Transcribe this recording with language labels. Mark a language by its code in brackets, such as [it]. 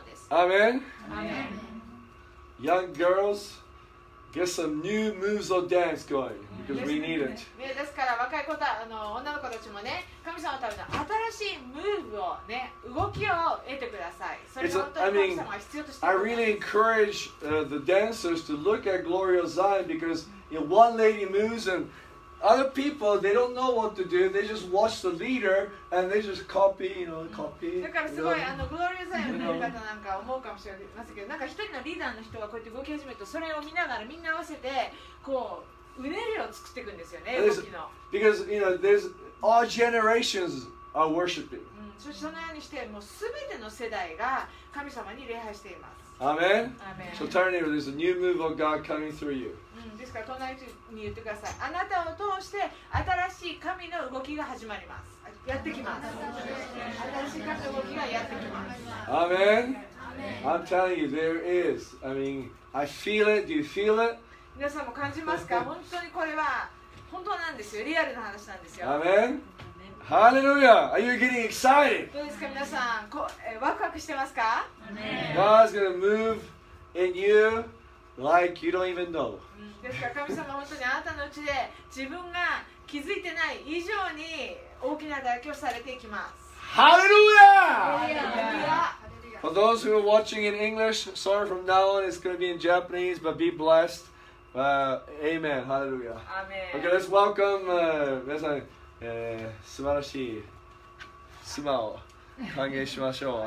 [en] Amen. Young girls. Get some new moves of dance going because we need it. [ja] ですから若い子たあの女の子たちもね、神様のための新しいムーブをね、動きを得てください。それを本当に神様が必要としています。 [en] I really encourage the dancers to look at Gloria Zion because you know, one lady moves and other people they don't know what to do. They just watch the leader and they just copy, you know, copy. [ja] だからすごいあのGloria Zionの見る方なんか思うかもしれませんけど、なんか一人のリーダーの人がこうやって動き始めると、それを見ながらみんな合わせてこううねりを作っていくんですよね、動きの。 [en] Because you know, there's all generations are worshiping. [ja] そしてそのようにしてもうすべての世代が神様に礼拝しています。 [en] Amen. So turn over. There's a new move of God coming through you. [ja] ですから隣に言ってください。あなたを通して新しい神の動きが始まります。やってきます。新しい神の動きがやってきます。 [en] Amen. I'm telling you, there is. I mean, I feel it. Do you feel it? [ja] 皆さんも感じますか？本当にこれは本当なんですよ。リアルな話なんですよ。 [en] Amen. Hallelujah! Are you getting excited? [ja] どうですか皆さん、ワクワクしてますか？ [en] God's gonna move in you like you don't even know. [ja] ですから神様本当にあなたのうちで自分が気づいてない以上に大きな大挙されていきます。 [en] Hallelujah! For those who are watching in English, sorry from now on, it's gonna be in Japanese, but be blessed. Amen. Hallelujah. Amen. Okay, let's welcome, 皆さん。 [ja] 素晴らしい妻を歓迎しましょう。